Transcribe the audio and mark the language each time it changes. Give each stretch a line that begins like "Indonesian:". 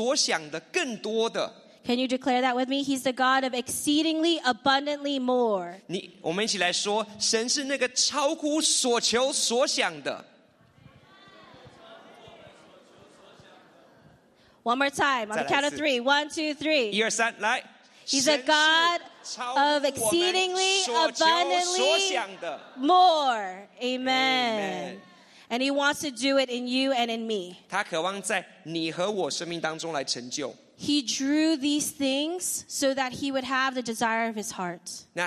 Chinese: 神是那位超乎所求所想的更多的。
English: Can you declare that with me? He's the God of exceedingly abundantly more.
Chinese: 我们一起来说, 神是那个超乎所求所想的。
English: One more time, on the count of three. One, two, three.
Chinese: 一二三, 来。
English: He's a God of exceedingly abundantly more. Amen. Amen. And he wants to do it in you and in me.
Chinese: 他渴望在你和我生命当中来成就。
English: He drew these things so that he would have the desire of his heart.